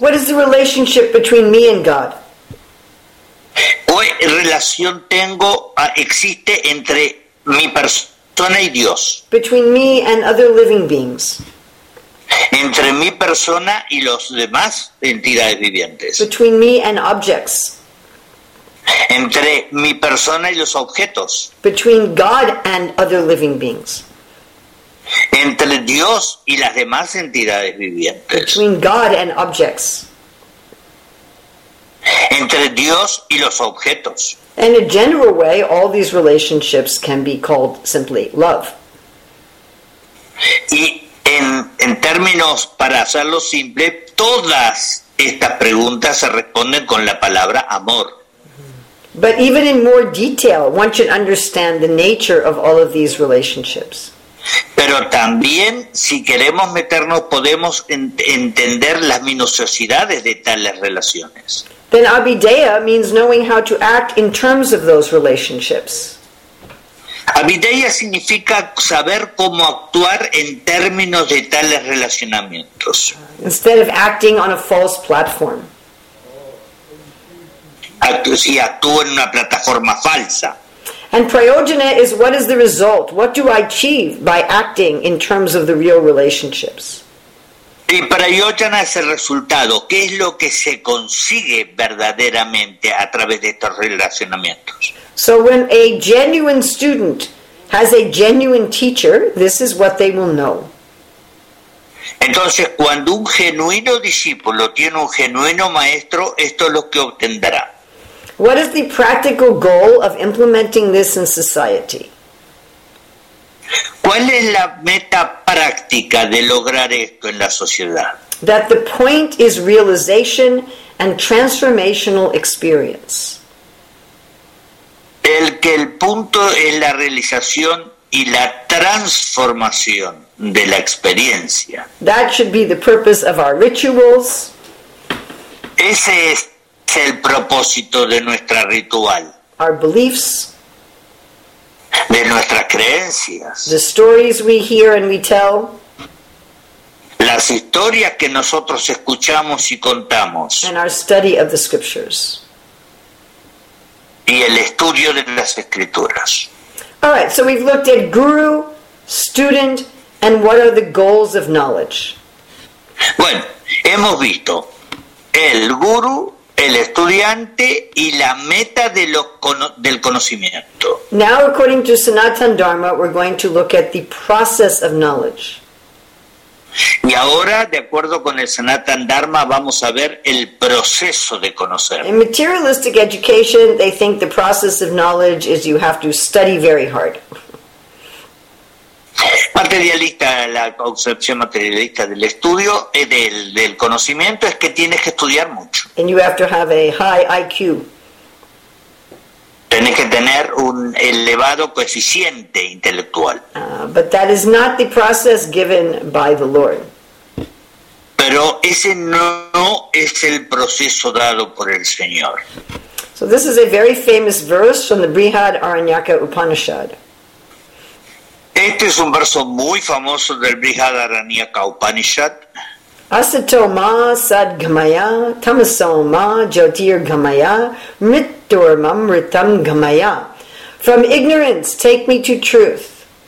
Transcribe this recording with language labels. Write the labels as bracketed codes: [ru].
[en] What is the relationship between me and God? [es] ¿Qué relación tengo, existe entre mi persona y Dios? [en] Between me and other living beings. [es] Entre mi persona y los demás entidades vivientes. [en] Between me and objects. [es] Entre mi persona y los objetos. [en] Between God and other living beings. [es] Entre Dios y las demás entidades vivientes. [en] Between God and objects. [es] Entre Dios y los objetos. [en] In a general way, all these relationships can be called simply love. [es] Y en términos, para hacerlo simple, todas estas preguntas se responden con la palabra amor. [en] But even in more detail, one should understand the nature of all of these relationships. [es] pero también si queremos meternos podemos entender las minuciosidades de tales relaciones. [en] Then abhideya means knowing how to act in terms of those relationships. [es] Abhideya significa saber cómo actuar en términos de tales relacionamientos. [en] Instead of acting on a false platform. [es] Si actúo en una plataforma falsa. [en] And prayojana is what is the result? What do I achieve by acting in terms of the real relationships? [es] Y prayojana es el resultado. ¿Qué es lo que se consigue verdaderamente a través de estos relacionamientos? [en] So when a genuine student has a genuine teacher, this is what they will know. [es] Entonces, cuando un genuino discípulo tiene un genuino maestro, esto es lo que obtendrá. [en] What is the practical goal of implementing this in society? [es] ¿Cuál es la meta práctica de lograr esto en la sociedad? [en] That the point is realization and transformational experience. [es] El que el punto es la realización y la transformación de la experiencia. [en] That should be the purpose of our rituals. [es] Ese es el propósito de nuestro ritual. [en] Our beliefs. [es] De nuestras creencias. [en] The stories we hear and we tell. [es] Las historias que nosotros escuchamos y contamos. [en] And our study of the scriptures. [es] Y el estudio de las escrituras. [en] All right, so we've looked at guru, student, and what are the goals of knowledge. [es] Bueno, hemos visto el guru, el estudiante y la meta de del conocimiento. [en] Now, according to Sanatan Dharma, we're going to look at the process of knowledge. [es] Y ahora, de acuerdo con el Sanatan Dharma, vamos a ver el proceso de conocer. [en] In materialistic education, they think the process of knowledge is you have to study very hard. [es] Materialista, la concepción materialista del estudio, del conocimiento, es que tienes que estudiar mucho. [en] And you have to have a high IQ. [es] Tienes que tener un elevado coeficiente intelectual. [en] But that is not the process given by the Lord. [es] Pero ese no es el proceso dado por el Señor. [en] So this is a very famous verse from the Brihad Aranyaka Upanishad. [es] Este es un verso muy famoso del Brihad Aranyaka Upanishad. [sa] Asato ma sad gamaya, tamaso ma jyotir gamaya, mittur mamritam gamaya. [en] From ignorance, take me to truth.